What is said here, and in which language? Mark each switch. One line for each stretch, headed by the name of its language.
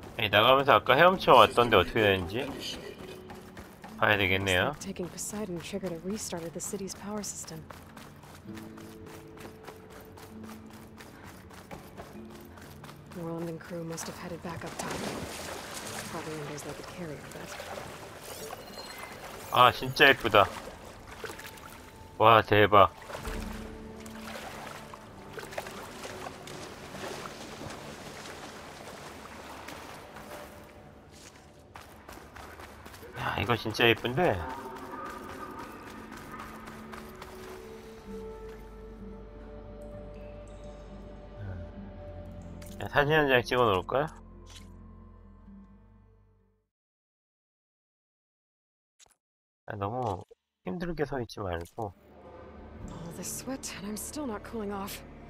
Korean: 나가면서 아까 헤엄쳐 왔던데 어떻게 되는지 봐야 되겠네요.
English: 타이킹 포세이돈 트리거드 리스타트드 더 시티즈 파워 시스템. Roland and crew must have headed back up top. Probably in those like a carrier, but.
Korean: 아, 진짜 예쁘다. 와, 대박. 야, 이거 진짜 예쁜데. 야, 사진 한 장 찍어 놓을까요? 너무 힘들게 서 있지 말고.
English: All this sweat and I'm still not cooling off.